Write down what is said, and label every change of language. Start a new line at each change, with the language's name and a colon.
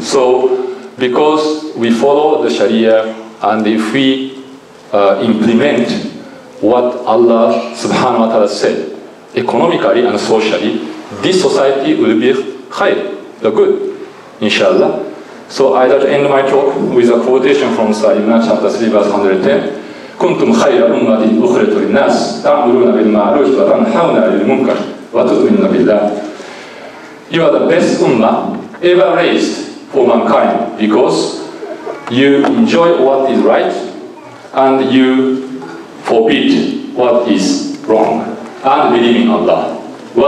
English: So because we follow the Sharia, and if we implement what Allah subhanahu wa ta'ala said, economically and socially, this society will be khair, the good, inshallah. So I'd like to end my talk with a quotation from Surah Al-Imran, chapter 3, verse 110.
Arabic: كنتم خير أمة أخرجت للناس تعملون بالمعروف وتنهون عن المنكر وتؤمنون بالله.
English: You are the best ummah ever raised for mankind because you enjoy what is right and you forbid what is wrong and believe in Allah. و